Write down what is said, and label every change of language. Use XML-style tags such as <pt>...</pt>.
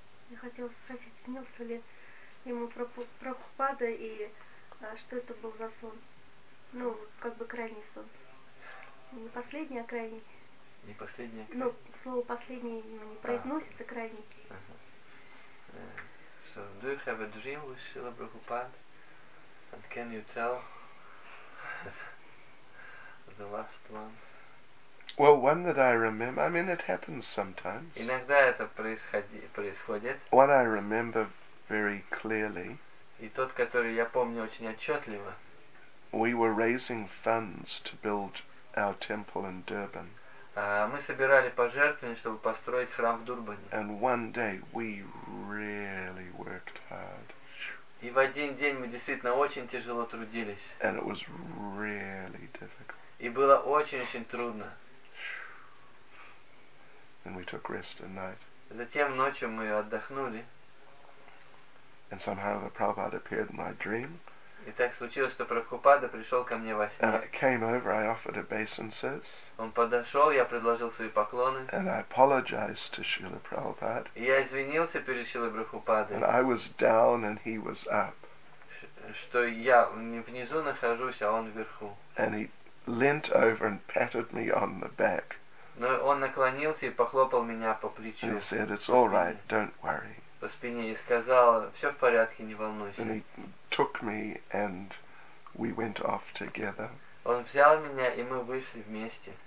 <ru>Я хотела спросить, снился ли ему Прабхупада и что это был за сон? Ну, как бы крайний сон. Не последний, а крайний. Не последний, а крайний. Ну, слово последнее именно не произносит, а крайний.</ru> <en>So, do you have a dream with Srila Prabhupada? And can you tell the last one? Well, one that I remember, I mean, it happens sometimes.</en> <ru>Иногда это происходит.</ru> <en>One I remember very clearly.</en> <ru>И тот, который я помню очень отчетливо.</ru> <en>We were raising funds to build our temple in Durban.</en> <ru>Мы собирали пожертвования, чтобы построить храм в Дурбане.</ru> <en>And one day we really worked hard.</en> <ru>И в один день мы действительно очень тяжело трудились.</ru> <en>And it was really difficult.</en> <ru>И было очень-очень трудно.</ru> <en>And we took rest at night.</en> <ru>Затем ночью мы отдохнули.</ru> <en>And somehow the Prabhupada appeared in my dream.</en> <ru>И так случилось, что Прабхупада пришел ко мне во сне.</ru> <en>And I came over, I offered obeisances.</en> <ru>Он подошел, я предложил свои поклоны.</ru> <en>And I apologized to Srila Prabhupada.</en> <ru>И я извинился перед Шрилой Прабхупадой.</ru> <en>And I was down and he was up.</en> <ru>Что я внизу нахожусь, а он вверху.</ru> <en>And he leant over and patted me on the back.</en> <ru>Но он наклонился и похлопал меня по плечу.</ru> <en>And he said, "It's all right, don't worry."</en> <ru>По спине и сказал, "Все в порядке, не волнуйся."</ru> <en>And he took me and we went off together.</en> <ru>Он взял меня и мы вышли вместе.</ru>